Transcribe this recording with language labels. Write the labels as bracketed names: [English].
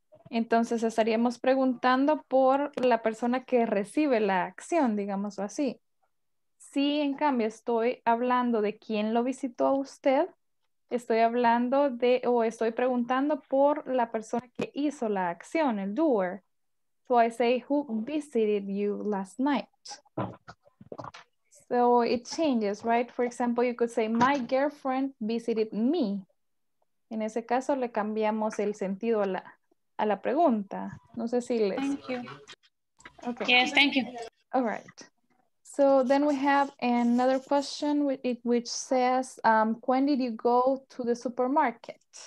[Spanish] Entonces estaríamos preguntando por la persona que recibe la acción, digámoslo así. Si en cambio estoy hablando de quién lo visitó a usted, estoy hablando de o estoy preguntando por la persona que hizo la acción, el doer. [English] So I say, who visited you last night? So it changes, right? For example, you could say, my girlfriend visited me. [Spanish] En ese caso, le cambiamos el sentido a la pregunta. No sé si les... [English] Thank you. Okay. Yes, thank you. All right. So then we have another question which says, when did you go to the supermarket?